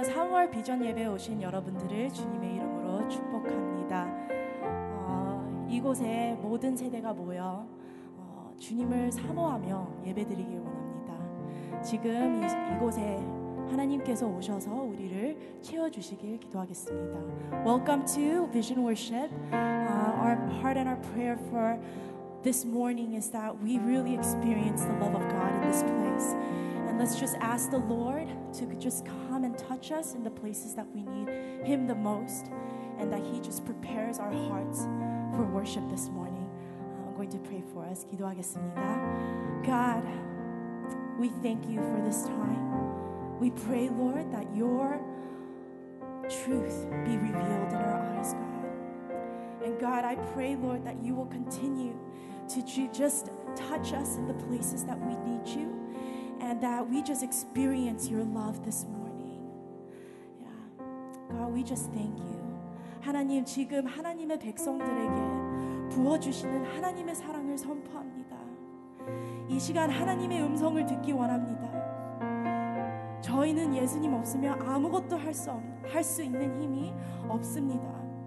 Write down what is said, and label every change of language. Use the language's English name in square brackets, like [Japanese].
[Korean] 3월 비전 예배 오신 여러분들을 주님의 이름으로 축복합니다. 이곳에 모든 세대가 모여 주님을 사모하며 예배드리길 원합니다. 지금 이곳에 하나님께서 오셔서 우리를 채워주시길 기도하겠습니다. [English] Welcome to Vision Worship. Our heart and our prayer for this morning is that we really experience the love of God in this place. And let's just ask the Lord to just come and touch us in the places that we need Him the most, and that He just prepares our hearts for worship this morning. I'm going to pray for us. [Korean] 기도하겠습니다. [English] God, we thank you for this time. We pray, Lord, that your truth be revealed in our eyes, God. And God, I pray, Lord, that you will continue to just touch us in the places that we need you, and that we just experience your love this morning. Yeah. God, we just thank you. [Korean] 하나님, 지금 하나님의 백성들에게 부어주시는 하나님의 사랑을 선포합니다. 이 시간 하나님의 음성을 듣기 원합니다. 저희는 예수님 없으면 아무것도 할 수 있는 힘이 없습니다.